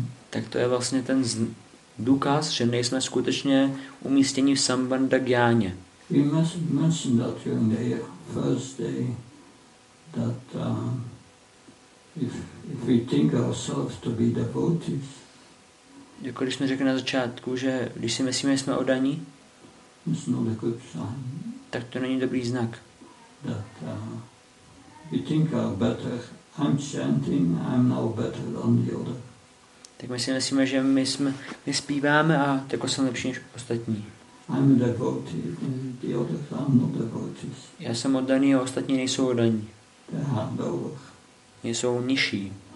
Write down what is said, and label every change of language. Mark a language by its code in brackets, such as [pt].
[cs] Tak to je vlastně ten důkaz, že nejsme skutečně umístěni v Sambandha Gyáně. [en] We must mention that during the first day that if we think ourselves to be devotees. [cs] Jako když jsme řekli na začátku, že když si myslíme, že jsme oddaní, [en] it's not a good sign. [cs] Tak to není dobrý znak. [en] That we think are better. I'm chanting, I'm now better than the other. [cs] Tak my si myslíme, že my zpíváme a jako jsem lepší než ostatní. [en] I'm a devotee, and the others are not devotees. [cs] Já jsem oddaný a ostatní nejsou oddaní. Jsou nižší.